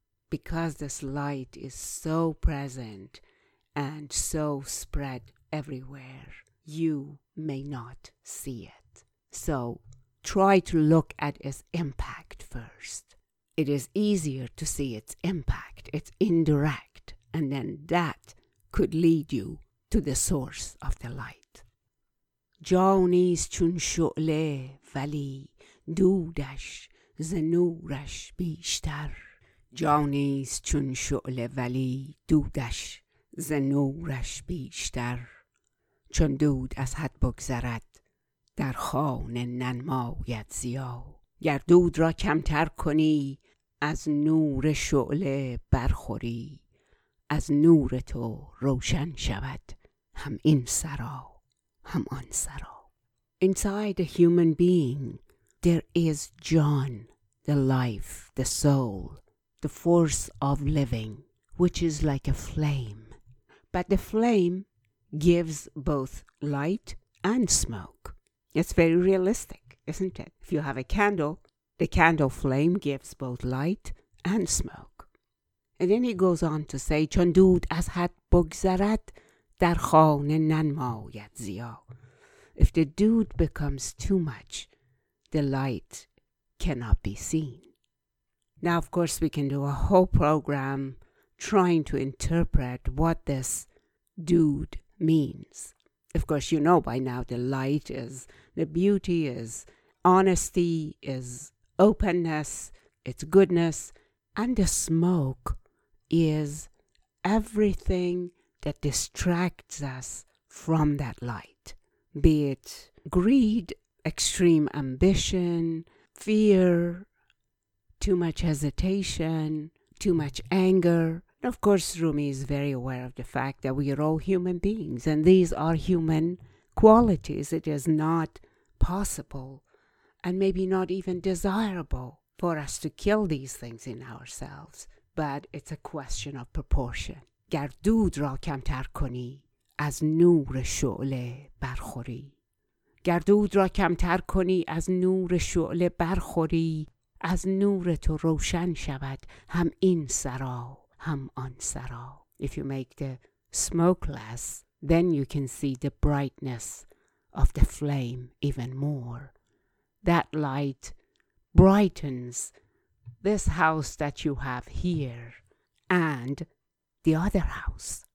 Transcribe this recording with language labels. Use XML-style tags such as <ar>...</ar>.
<en>Because this light is so present and so spread everywhere, you may not see it. So try to look at its impact first. It is easier to see its impact, its indirect, and then that could lead you to the source of the light.</en> <fa>جانیست چون شعله ولی دودش ز نورش بیشتر. جانیست چون شعله ولی دودش ز نورش بیشتر. چون دود از حد بگذرد در خانه ننماید ضیا. گر دود را کمتر کنی از نور شعله برخوری، از نور تو روشن شود هم این سرا هم آن سرا.</fa> <en>Inside a human being there is John, the life, the soul, the force of living, which is like a flame. But the flame gives both light and smoke. It's very realistic, isn't it? If you have a candle, the candle flame gives both light and smoke. And then he goes on to say,</en> <fa>چون دود از حد بگذرد در خانه ننماید ضیا.</fa> <en>If the dood becomes too much, the light cannot be seen. Now, of course, we can do a whole program trying to interpret what this dood means. Of course, you know by now the light is, the beauty is, honesty is, openness, it's goodness. And the smoke is everything that distracts us from that light. Be it greed, extreme ambition, fear, too much hesitation, too much anger. And of course, Rumi is very aware of the fact that we are all human beings and these are human qualities. It is not possible and maybe not even desirable for us to kill these things in ourselves, but it's a question of proportion.</en> <fa>گر دود را کمتر کنی از نور شعله برخوری، گر دود را کمتر کنی از نور شعله برخوری، از نور تو روشن شود هم این سرا هم آن سرا.</fa> <en>If you make the smoke less, then you can see the brightness of the flame even more. That light brightens this house that you have here and the other house.</en>